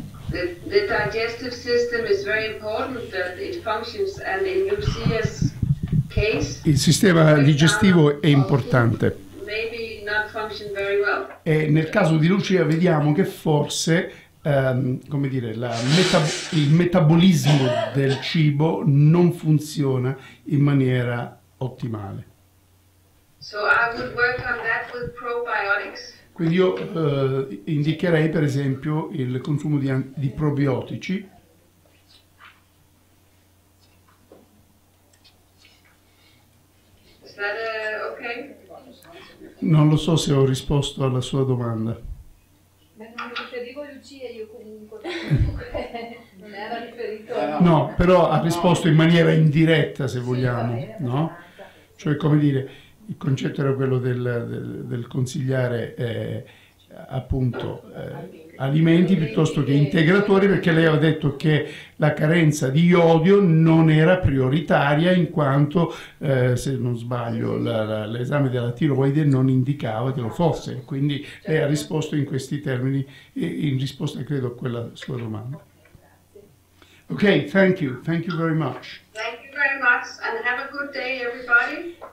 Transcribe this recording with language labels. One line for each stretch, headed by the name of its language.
English: The digestive system is very important that it functions, and in Lucia's case,
Italian: il sistema digestivo è importante.
English: Maybe not function very well.
Italian: E nel caso di Lucia vediamo che forse il metabolismo del cibo non funziona in maniera ottimale.
English: So I would work on that with probiotics.
Italian: Quindi io indicherei per esempio il consumo di probiotici.
English: Is that okay?
Italian: Non lo so se ho risposto alla sua domanda. Non era riferito. No, però ha risposto in maniera indiretta, se vogliamo, no? Cioè, come dire, il concetto era quello del consigliare appunto alimenti piuttosto che integratori, perché lei ha detto che la carenza di iodio non era prioritaria, in quanto se non sbaglio l'esame della tiroide non indicava che lo fosse, quindi lei ha risposto in questi termini, in risposta credo a quella sua domanda.
English: Ok, thank you very much. Thank you very much and have a good day everybody.